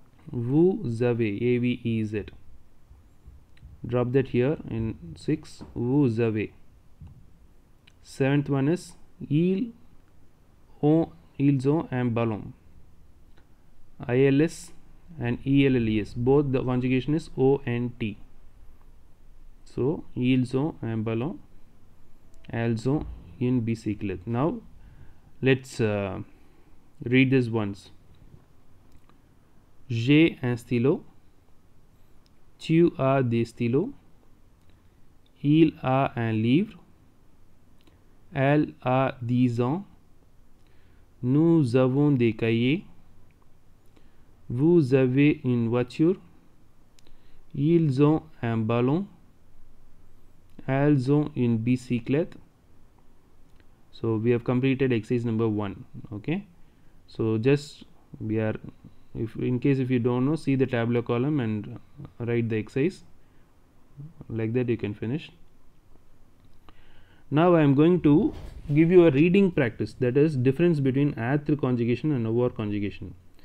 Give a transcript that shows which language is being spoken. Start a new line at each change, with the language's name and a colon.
French: Vous avez,
English: a v e z, drop that here in 6.
French: Vous avez.
English: Seventh one is ils
French: ils ont un ballon.
English: ILS and ELLES, both the conjugation is ONT. So,
French: ils ont un ballon, elles ont une bicyclette.
English: Now, let's read this once.
French: J'ai un stylo, tu as des stylos, il a un livre, elle a 10 ans, nous avons des cahiers, vous avez une voiture, ils ont un ballon, elles ont une bicyclette.
English: So we have completed exercise number 1. Okay, so just we are, if in case if you don't know, see the tableau column and write the exercise. Like that you can finish. Now I am going to give you a reading practice, that is difference between être conjugation and avoir conjugation.